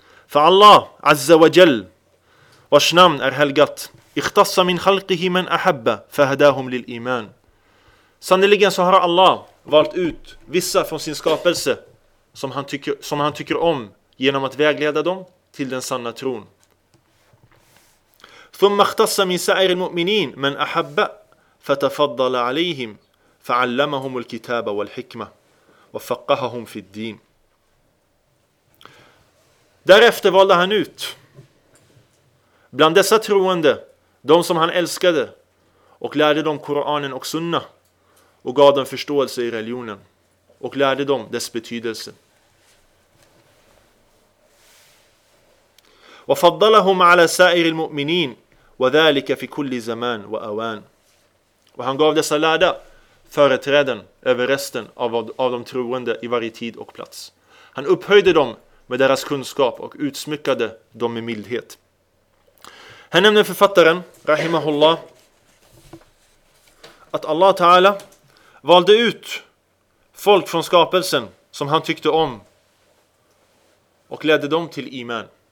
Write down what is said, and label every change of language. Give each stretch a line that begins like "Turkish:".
Swedish: För Allah, azza wa jall, vars namn är helgat,
Arabic: ikhtassa min khalqihi man ahabba, fahadahum lil iman.
Swedish: Sannoliken så har Allah valt ut vissa från sin skapelse som han tycker om genom att vägleda dem till den sanna tron.
Arabic: ثم اختص من سائر المؤمنين من أحب فتفضل عليهم فعلمهم الكتاب والحكمة وفقههم في الدين.
Swedish: Därefter valde han ut bland dessa troende de som han älskade och lärde dem Koranen och Sunna och gav dem förståelse i religionen och lärde dem dess betydelse.
Arabic: وفضلهم على سائر المؤمنين وذلك في كل زمان وأوان.
Swedish: Och han gav dessa lärda företräden över resten av de troende i varje tid och plats. Han upphöjde dem med deras kunskap och utsmyckade dem med mildhet. Här nämner författaren rahimahullah att Allah Ta'ala valde ut folk från skapelsen som han tyckte om och ledde dem till iman.